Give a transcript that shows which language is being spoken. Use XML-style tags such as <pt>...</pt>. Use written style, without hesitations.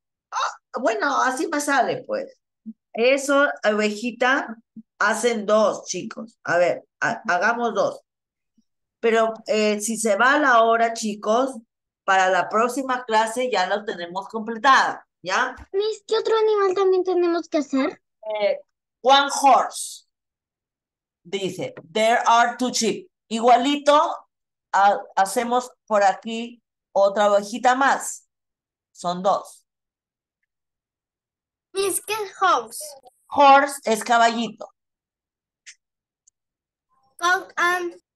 <es>Oh, bueno, así me sale, pues. Eso, abejita, hacen dos, chicos. A ver, hagamos dos. Pero si se va a la hora, chicos, para la próxima clase ya lo tenemos completada, ¿ya? Miss, ¿qué otro animal también tenemos que hacer?</es> <en>One horse. Dice, there are two sheep.</en> <es>Igualito, hacemos por aquí. Otra ovejita más. Son dos. Es que es horse. Horse es caballito.</es> <en>Cock and...</en>